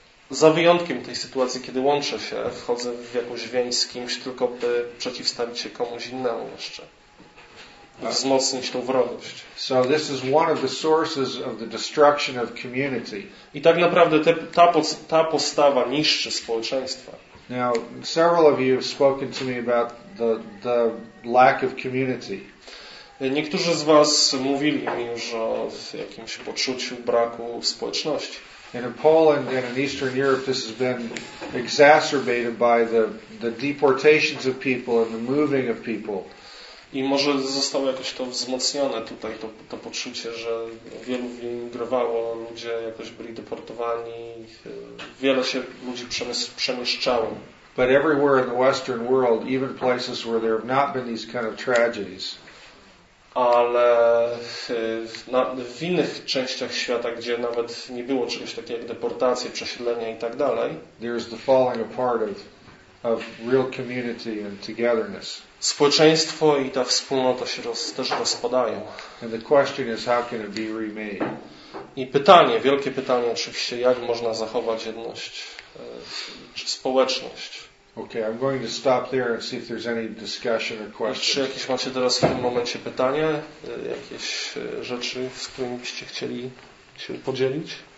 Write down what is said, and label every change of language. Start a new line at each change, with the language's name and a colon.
Polish: Za wyjątkiem tej sytuacji, kiedy łączę się, wchodzę w jakąś więź z kimś, tylko by przeciwstawić się komuś innemu jeszcze i wzmocnić tą wrogość.
English: So this is one of the sources of the destruction of community.
Polish: I tak naprawdę ta postawa niszczy społeczeństwa.
English: Now, several of you have spoken to me about the lack of community.
Polish: Niektórzy z was mówili mi już o jakimś poczuciu braku społeczności.
English: In Poland and in Eastern Europe this has been exacerbated by the deportations of people and the moving of people.
Polish: I może zostało jakoś to wzmocnione tutaj, to poczucie, że wielu wyemigrowało, ludzie jakoś byli deportowani, wiele się ludzi przemieszczało.
English: But everywhere in the Western world, even places where there have not been these kind of tragedies,
Polish: ale w innych częściach świata, gdzie nawet nie było czegoś takiego jak deportacje, przesiedlenia i tak dalej,
English: there is the falling apart of real community and togetherness.
Polish: Społeczeństwo i ta wspólnota się też rozpadają.
English: And the question is, how can it be remade?
Polish: I pytanie, wielkie pytanie oczywiście, jak można zachować jedność czy społeczność?
English: Okay, I'm going to stop there and see if there's any discussion or questions.
Polish: Czy jakieś macie teraz w tym momencie pytania, jakieś rzeczy, z którymi byście chcieli się podzielić?